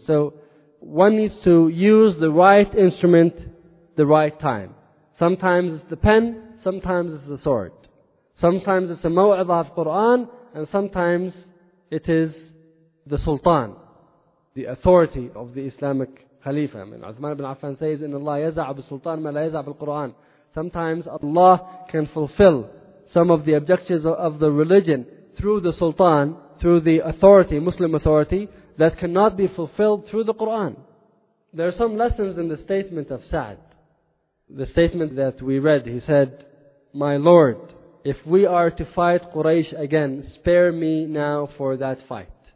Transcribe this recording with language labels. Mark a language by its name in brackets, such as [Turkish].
[English] So one needs to use the right instrument the right time. Sometimes it's the pen, sometimes it's the sword. Sometimes it's a maw'idha of Quran, and sometimes it is the Sultan, the authority of the Islamic [Arabic] خليفة. من عثمان بن عفان [English] says [Arabic] إن الله يزع بالسلطان ما لا يزع بالقرآن. [English] Sometimes Allah can fulfill some of the objectives of the religion through the sultan, through the authority, Muslim authority, that cannot be fulfilled through the Quran. There are some lessons in the statement of Sa'd. The statement that we read, he said, "My Lord, if we are to fight Quraysh again, spare me now for that fight.